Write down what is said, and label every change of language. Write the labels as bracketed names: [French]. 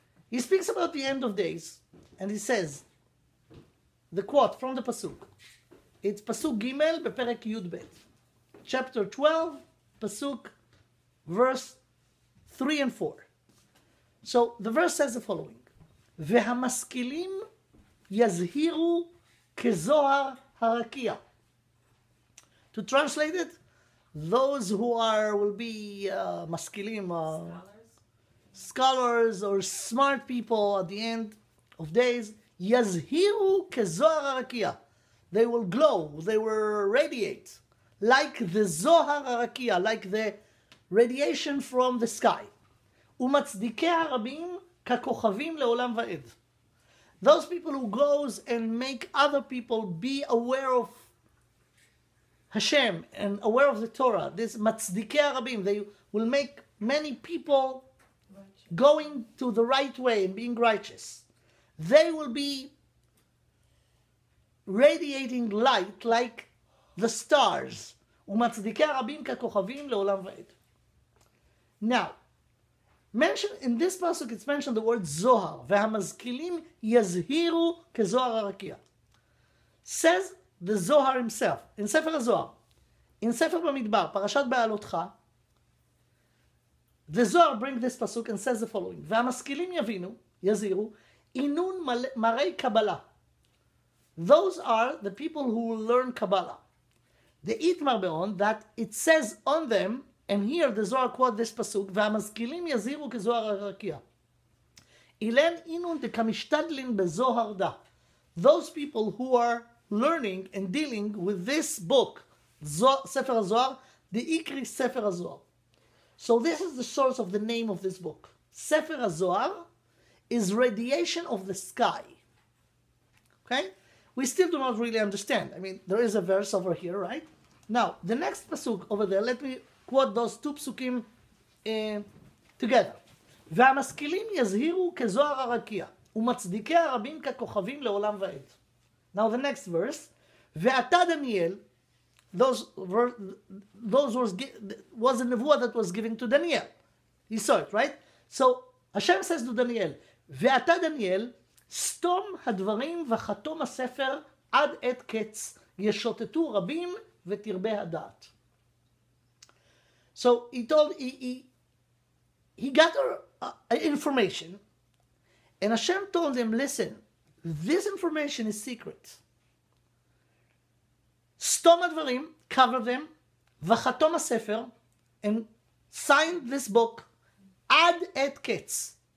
[English] He speaks about the end of days, and he says, the quote from the pasuk, it's Pasuk Gimel Beperek Yud Bet, chapter 12, Pasuk, verse 3 and 4. So the verse says the following. [Hebrew] והמשכילים יזהירו כזוהר הרקיע. [English] To translate it, those who are will be משכילים, scholars or smart people at the end of days, [Hebrew] יזהירו כזוהר הרקיע. [English] They will glow, they will radiate like the [Hebrew] זוהר הרקיע, [English] like the radiation from the sky. [Hebrew] ומצדיקי הרבים ככוכבים לעולם ועד. [English] Those people who goes and make other people be aware of Hashem and aware of the Torah, this [Hebrew] matzdikei harabim, [English] they will make many people going to the right way and being righteous. They will be radiating light like the stars. [Hebrew] Umatzdikei harabim ככוכבים לעולם ועד. [English] Now, mentioned in this pasuk, it's mentioned the word Zohar. [Hebrew] Vehamazkilim yazhiru kezohar harakia. [English] Says the Zohar himself in Sefer HaZohar, in Sefer Bamidbar, Parashat Be'alotcha. The Zohar brings this pasuk and says the following: [Aramaic] Vehamazkilim yavinu yazhiru inun marei Kabbalah. [English] Those are the people who will learn Kabbalah. The [Hebrew] Itmar Be'on [English] that it says on them. And here the Zohar quotes this pasuk, [Hebrew] והמזכילים יזהירו כזוהר הרקיע. [Aramaic] אילן אינון דקמשתדלין בזוהר דה. [English] Those people who are learning and dealing with this book, Sefer HaZohar, the Ikri Sefer HaZohar. So this is the source of the name of this book. Sefer HaZohar is radiation of the sky. Okay? We still do not really understand. I mean, there is a verse over here, right? Now, the next pasuk over there, let me quote those two psukim together. [Hebrew] והמשכילים יזהירו כזוהר הרקיע, ומצדיקי הרבים ככוכבים לעולם ועד. [English] Now the next verse. [Hebrew] ואתה דניאל, [English] those words was a nevuah that was given to Daniel. He saw it, right? So Hashem says to Daniel, [Hebrew] ואתה דניאל, סתום הדברים וחתום הספר עד עת קץ, ישוטטו רבים ותרבה הדעת. [English] So he told, he got information, and Hashem told him, listen, this information is secret. [Hebrew] Stom advarim, [English] cover them, [Hebrew] v'chatom ha-sefer, [English] and sign this book, [Hebrew] ad et ketz.